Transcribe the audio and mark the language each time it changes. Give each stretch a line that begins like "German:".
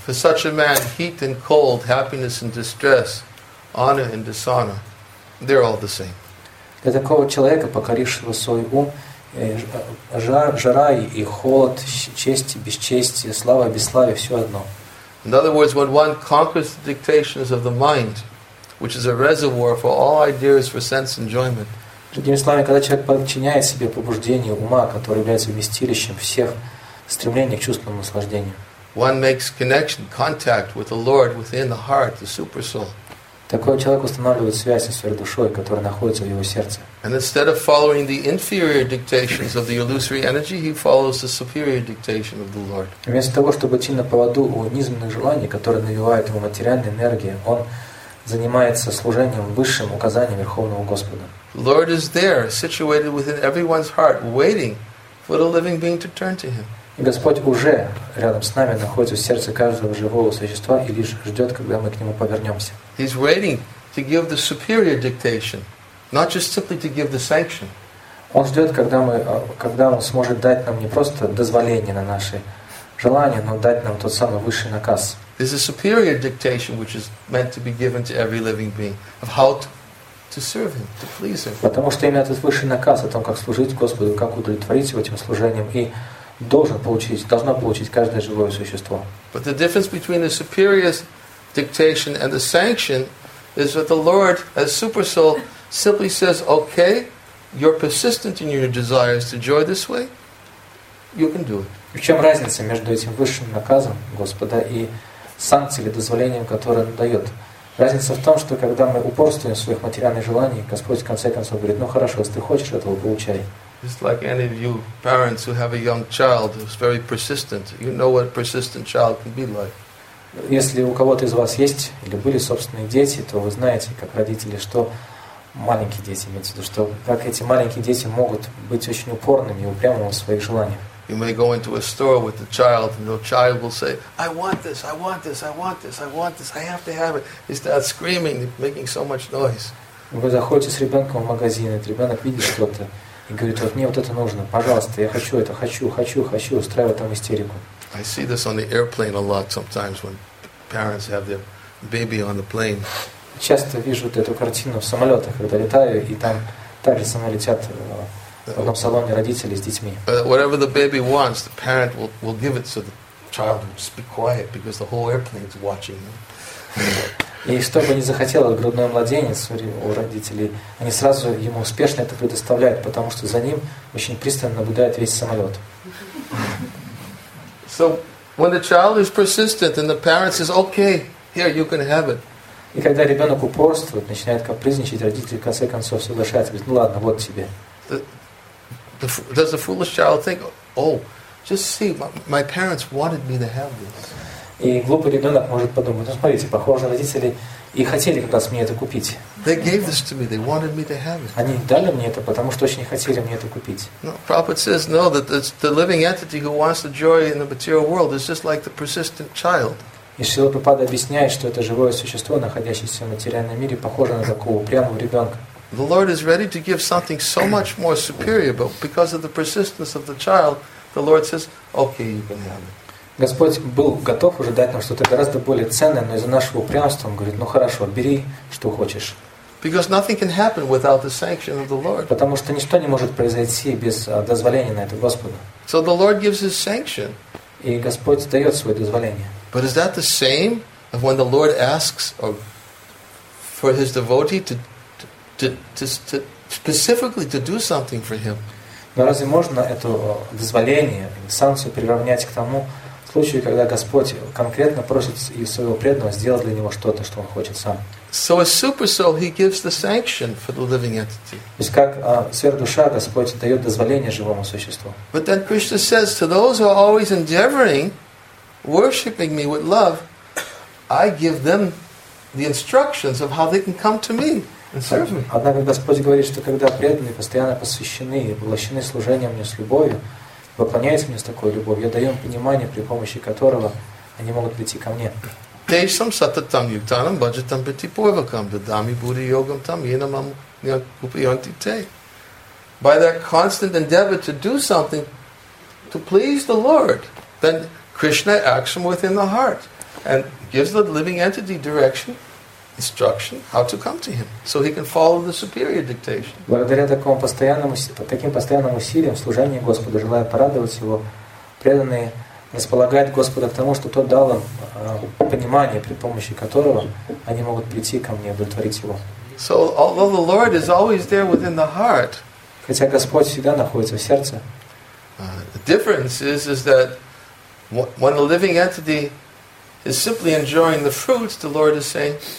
English: For such a man, heat and cold, happiness and distress, honor and dishonor, they're all the same.
Russian: Для такого человека, покорившего свой ум, жара и холод, честь и бесчесть, слава и бесславие, все одно.
English: In other words, when one conquers the dictations of the mind, which is a reservoir for all ideas for sense enjoyment.
Russian: Другими словами, когда человек подчиняет себе побуждение ума, которое является вместилищем всех стремлений к чувственному наслаждению.
English: One makes contact with the Lord within the heart, the super soul.
Russian: Такой человек устанавливает связь со своей душой, которая находится в его сердце.
English: And instead of following the inferior dictations of the illusory energy, he follows the superior dictation of the Lord.
Russian: Вместо того, чтобы идти на поводу у низменных желаний, которые навевают ему материальные энергии, он занимается служением высшим указанием Верховного Господа.
English: The Lord is there, situated within everyone's heart, waiting for the living being to turn to him.
Russian: И Господь уже рядом с нами находится в сердце каждого живого существа и лишь ждет, когда мы к Нему повернемся.
English: He's waiting to give the superior dictation, not just simply to give the sanction.
Russian: Он ждет, когда Он сможет дать нам не просто дозволение на наши желания, но дать нам тот самый высший наказ.
English: There's a superior dictation which is meant to be given to every living being of how to serve Him, to please Him.
Russian: Потому что именно этот высший наказ о том, как служить Господу, как удовлетворить Его этим служением и должно получить каждое живое существо.
English: But the difference between the superior dictation and the sanction is that the Lord, as Supersoul, simply says, "Okay, you're persistent in your desires to joy this way. You can do it."
Russian: В чем разница между этим высшим наказом Господа и санкцией или дозволением, которое Он дает? Разница в том, что когда мы упорствуем в своих материальных желаниях, Господь в конце концов говорит: "Ну хорошо, если ты хочешь этого, получай."
English: It's like any of you parents who have a young child who's very persistent. You know what a persistent child can be like.
Russian: Если у кого-то из вас есть или были собственные дети, то вы знаете, как родители, что маленькие дети, имеется в виду, что как эти маленькие дети могут быть очень упорными и упрямыми в своих желаниях.
English: You may go into a store with the child, and the child will say, "I want this, I want this, I want this, I want this, I have to have it." He starts screaming, making so much noise.
Russian: Вы заходите с ребенком в магазин, и ребенок видит что-то. И говорит: вот мне вот это нужно, пожалуйста, я хочу это, хочу, хочу, хочу, устраивает там истерику.
English: I see this on the airplane a lot sometimes when parents have their baby on the plane.
Russian: Часто вижу вот эту картину в самолетах, когда летаю, и там также со мной летят в одном салоне родители с детьми.
English: Whatever the baby wants, the parent will give it so the child will just be quiet because the whole airplane is watching them.
Russian: И что бы ни захотел грудной младенец у родителей, они сразу ему успешно это предоставляют, потому что за ним очень пристально наблюдает весь самолет.
English: So when the child is persistent and the parent says, "Okay, here you can have it."
Russian: И когда ребенок упорствует, начинает капризничать, родители в конце концов соглашаются, говорят: "Ну ладно, вот тебе."
English: Does the foolish child think, "Oh, just see, my parents wanted me to have this"?
Russian: И глупый ребенок может подумать: ну смотрите, похоже, родители и хотели как раз мне это купить. Они дали мне это, потому что очень хотели мне это купить.
English: No, Prabhupada says no, that the living entity who wants the joy in the material world is just like the persistent child.
Russian: И Шрила Прабхупада объясняет, что это живое существо, находящееся в материальном мире, похоже на такого упрямого ребенка.
English: The Lord is ready to give something so much more superior, but because of the persistence of the child, the Lord says, "Okay, you can have it."
Russian: Господь был готов уже дать нам что-то гораздо более ценное, но из-за нашего упрямства Он говорит: ну хорошо, бери, что хочешь. Потому что ничто не может произойти без дозволения на это Господа.
English: So the Lord gives His sanction.
Russian: И Господь дает свое дозволение.
English: But is that the same as when the Lord asks for His devotee to specifically to do something for Him?
Russian: Но разве можно это дозволение, санкцию приравнять к тому случаю, когда Господь конкретно просит своего преданного сделать для него что-то, что он хочет сам?
English: So a supersoul, he gives the sanction for the living entity.
Russian: То есть как сверхдуша Господь дает дозволение живому существу.
English: But then Krishna says to those who are always endeavoring, worshiping me with love, I give them the instructions of how they can come to me and serve me.
Russian: Однако Господь говорит, что когда преданные постоянно посвящены и поглощены служением мне с любовью, поклоняясь мне с такой любовью, я даю им понимание, при помощи которого они могут прийти ко мне.
Sanskrit: Дейшам сататам юктанам баджатам петипойвакам дадами будди йогам там енамам ниакупиянти те.
English: By that constant endeavor to do something to please the Lord, then Krishna acts from within the heart and gives the living entity direction, instruction, how to come to Him, so He can follow the superior dictation.
Russian: Благодаря таким постоянным усилиям в служении Господу, желая порадовать Его, преданные располагают Господа к тому, что Тот дал им понимание, при помощи которого они могут прийти ко Мне и удовлетворить Его.
English: So, although the Lord is always there within the heart,
Russian: хотя Господь всегда находится в сердце,
English: the difference is that when a living entity is simply enjoying the fruits, the Lord is saying,